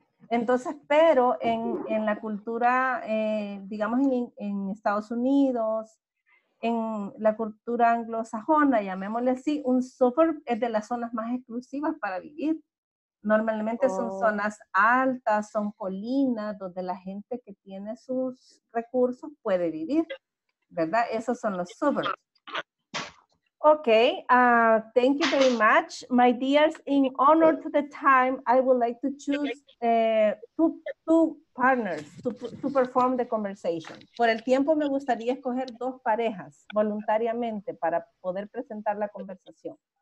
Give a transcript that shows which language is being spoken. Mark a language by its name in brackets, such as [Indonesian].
[Spanish] Entonces, pero en la cultura, digamos en Estados Unidos, en la cultura anglosajona, llamémosle así, un suburb es de las zonas más exclusivas para vivir. Normalmente son zonas altas, son colinas donde la gente que tiene sus recursos puede vivir, ¿verdad? Esos son los suburbs. [English] Okay, thank you very much. My dears, in honor to the time, I would like to choose two partners to perform the conversation. [Spanish] Por el tiempo, me gustaría escoger dos parejas voluntariamente para poder presentar la conversación.